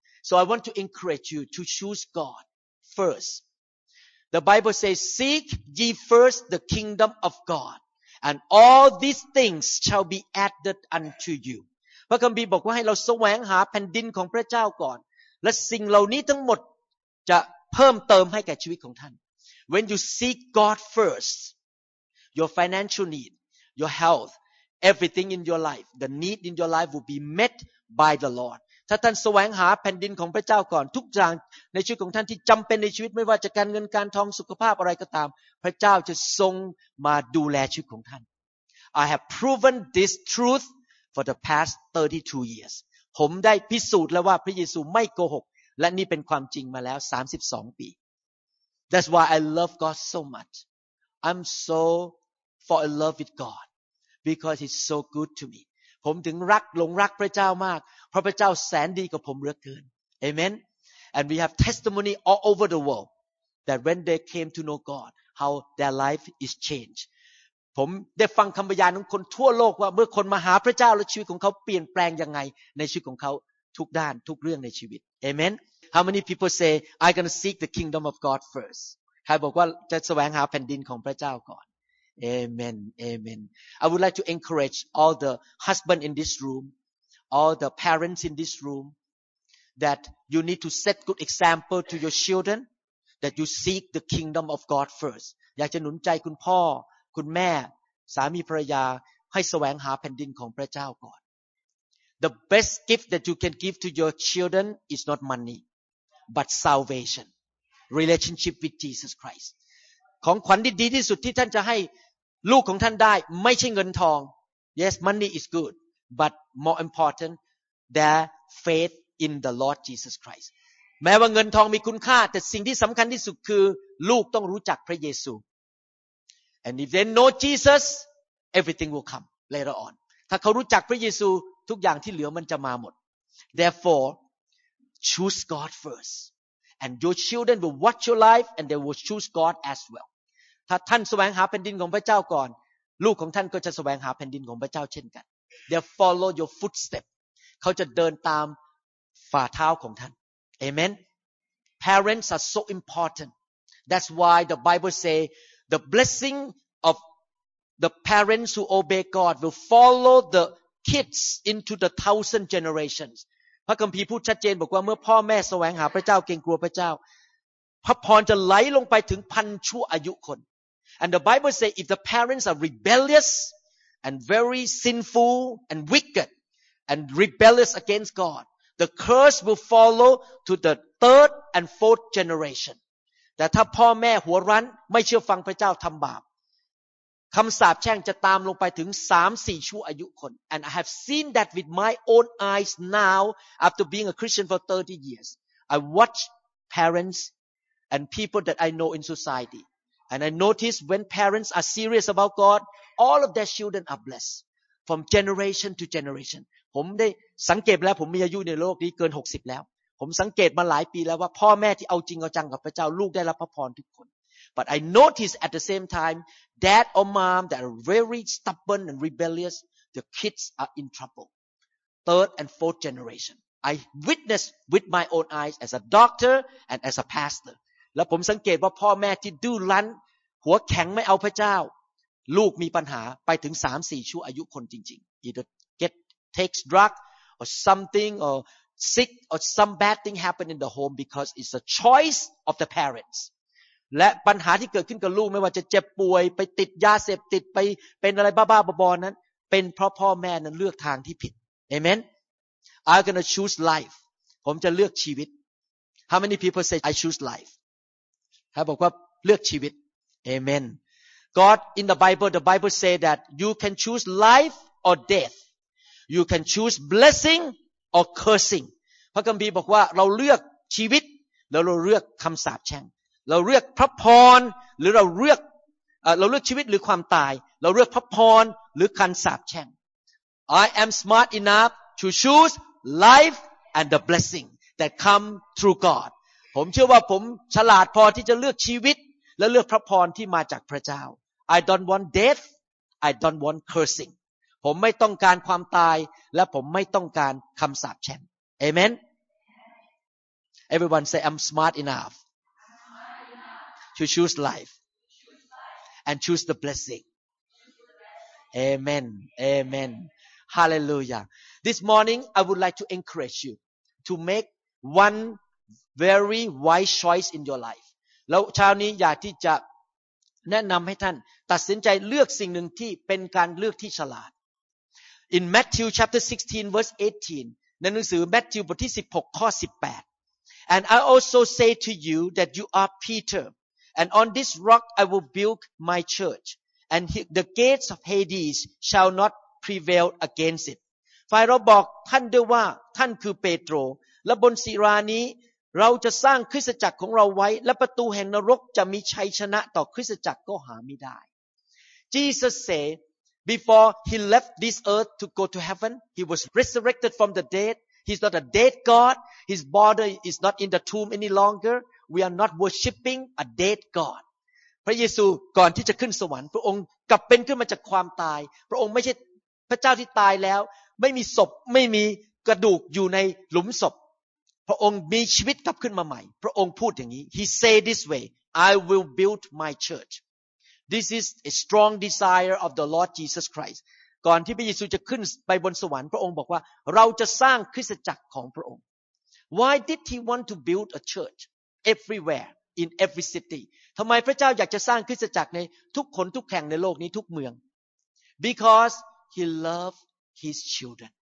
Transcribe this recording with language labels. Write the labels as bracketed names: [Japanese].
[English] So I want to encourage you to choose God first. The Bible says, seek ye first the kingdom of God, and all these things shall be added unto you. [Thai] พระคัมภีร์บอกว่าให้เราแสวงหาแผ่นดินของพระเจ้าก่อนและสิ่งเหล่านี้ทั้งหมดจะเพิ่มเติมให้แก่ชีวิตของท่าน [English] When you seek God firstYour financial need, your health, everything in your life, the need in your life will be met by the Lord. [Thai] ถ้าท่านแสวงหาแผ่นดินของพระเจ้าก่อนทุกอย่างในชีวิตของท่านที่จำเป็นในชีวิตไม่ว่าจะการเงินการทองสุขภาพอะไรก็ตามพระเจ้าจะทรงมาดูแลชีวิตของท่าน [English] I have proven this truth for the past 32 years. [Thai] ผมได้พิสูจน์แล้วว่าพระเยซูไม่โกหกและนี่เป็นความจริงมาแล้ว32ปี [English] That's why I love God so much. I'm so fall in love with God because He's so good to me. [Thai] ผมถึงรักหลงรักพระเจ้ามากเพราะพระเจ้าแสนดีกับผมเหลือเกิน Amen. [English] And we have testimony all over the world that when they came to know God, how their life is changed. [Thai] ผมได้ฟังคำพยานของคนทั่วโลกว่าเมื่อคนมาหาพระเจ้าแล้วชีวิตของเขาเปลี่ยนแปลงยังไงในชีวิตของเขาทุกด้านทุกเรื่องในชีวิต Amen. [English] How many people say I'm gonna seek the kingdom of God first? [Thai] ใครบอกว่าจะแสวงหาแผ่นดินของพระเจ้าก่อน Amen, Amen. [English] I would like to encourage all the husband in this room, all the parents in this room, that you need to set good example to your children, that you seek the kingdom of God first. [Thai] อยากจะหนุนใจคุณพ่อคุณแม่สามีภรรยาให้แสวงหาแผ่นดินของพระเจ้าก่อน [English] The best gift that you can give to your children is not money, but salvation. Relationship with Jesus Christ. [Thai] ของขวัญที่ดีที่สุดที่ท่านจะให้ลูกของท่านได้ไม่ใช่เงินทอง [English] Yes, money is good, but more important, their faith in the Lord Jesus Christ. [Thai] แม้ว่าเงินทองมีคุณค่าแต่สิ่งที่สำคัญที่สุดคือลูกต้องรู้จักพระเยซู [English] And if they know Jesus, everything will come later on. [Thai] ถ้าเขารู้จักพระเยซูทุกอย่างที่เหลือมันจะมาหมด [English] Therefore, choose God first. And your children will watch your life, and they will choose God as well. [Thai] ถ้าท่านแสวงหาแผ่นดินของพระเจ้าก่อนลูกของท่านก็จะแสวงหาแผ่นดินของพระเจ้าเช่นกัน [English] They'll follow your footsteps. [Thai] เขาจะเดินตามฝ่าเท้าของท่าน Amen. [English] Parents are so important. That's why the Bible say the blessing of the parents who obey God will follow the kids into the thousand generations. [Thai] พระคัมภีร์พูดชัดเจนบอกว่าเมื่อพ่อแม่แสวงหาพระเจ้าเกรงกลัวพระเจ้าพระพรจะไหลลงไปถึงพันชั่วอายุคน [English] And the Bible say if the parents are rebellious and very sinful and wicked and rebellious against God, the curse will follow to the third and fourth generation. [Thai] แต่ถ้าพ่อแม่หัวรั้นไม่เชื่อฟังพระเจ้าทำบาปคำสาปแช่งจะตามลงไปถึง 3-4 ชั่วอายุคน [English] And I have seen that with my own eyes now after being a Christian for 30 years. I watch parents and people that I know in society. And I notice when parents are serious about God, all of their children are blessed from generation to generation. [Thai] ผมได้สังเกตแล้วผมมีอายุในโลกนี้เกิน60แล้วผมสังเกตมาหลายปีแล้วว่าพ่อแม่ที่เอาจริงเอาจังกับพระเจ้าลูกได้รับพระพรทุกคน [English] But I notice at the same time dad or mom that are very stubborn and rebellious the kids are in trouble third and fourth generation I witness with my own eyes as a doctor and as a pastor [Thai] แล้วผมสังเกตว่าพ่อแม่ที่ดื้อรั้นหัวแข็งไม่เอาพระเจ้าลูกมีปัญหาไปถึง 3-4 ชั่วอายุคนจริงๆ [English] either get takes drug or something orSick or some bad thing happened in the home because it's a choice of the parents. [Thai] และปัญหาที่เกิดขึ้นกับลูกไม่ว่าจะเจ็บป่วยไปติดยาเสพติดไปเป็นอะไรบ้าๆบอๆนั้นเป็นเพราะพ่อแม่นั้นเลือกทางที่ผิด [English] Amen. I'm gonna choose life. [Thai] ผมจะเลือกชีวิต [English] How many people say I choose life? [Thai] ครับบอกว่าเลือกชีวิต [English] Amen. God in the Bible say that you can choose life or death. You can choose blessing. Or cursing. [Thai] พระคัมภีร์บอกว่าเราเลือกชีวิตแล้วเราเลือกคำสาปแช่งเราเลือกพระพรหรือเราเลือกชีวิตหรือความตายเราเลือกพระพรหรือการสาปแช่ง [English] I am smart enough to choose life and the blessing that come through God. [Thai] ผมเชื่อว่าผมฉลาดพอที่จะเลือกชีวิตและเลือกพระพรที่มาจากพระเจ้า [English] I don't want death. I don't want cursing. [Thai] ผมไม่ต้องการความตายและผมไม่ต้องการคำสาปแช่ง [English] Amen Everyone say I'm smart enough to choose life and choose the blessing Amen Amen Hallelujah This morning I would like to encourage you to make one very wise choice in your life [Thai] แล้วเช้านี้อยากที่จะแนะนำให้ท่านตัดสินใจเลือกสิ่งหนึ่งที่เป็นการเลือกที่ฉลาด [English] In Matthew chapter 16 verse 18, [Thai] ในหนังสือ Matthew บทที่16ข้อ18 [English] And I also say to you that you are Peter, and on this rock I will build my church, and the gates of Hades shall not prevail against it. [Thai] ฝ่ายเราบอกท่านด้วยว่าท่านคือเปโตรและบนศิลานี้เราจะสร้างคริสตจักรของเราไว้และประตูแห่งนรกจะมีชัยชนะต่อคริสตจักรก็หาไม่ได้ [English] Jesus saidBefore he left this earth to go to heaven, he was resurrected from the dead. He's not a dead God. His body is not in the tomb any longer. We are not worshiping a dead God. [Thai] พระเยซูก่อนที่จะขึ้นสวรรค์พระองค์กลับเป็นขึ้นมาจากความตายพระองค์ไม่ใช่พระเจ้าที่ตายแล้วไม่มีศพไม่มีกระดูกอยู่ในหลุมศพพระองค์มีชีวิตกลับขึ้นมาใหม่พระองค์พูดอย่างนี้ [English] He said this way, I will build my churchThis is a strong desire of the Lord Jesus Christ. [Thai] ก่อนที่พระเยซูจะขึ้นไปบนสวรรค์พระองค์บอกว่าเราจะสร้างคริสตจักรของพระองค์ [English] Why did he want to build a church everywhere in every city? [Thai] ทำไมพระเจ้าอยากจะสร้างคริสตจักรในทุกคนทุกแห่งในโลกนี้ทุกเมือง [English] Because he loved his children.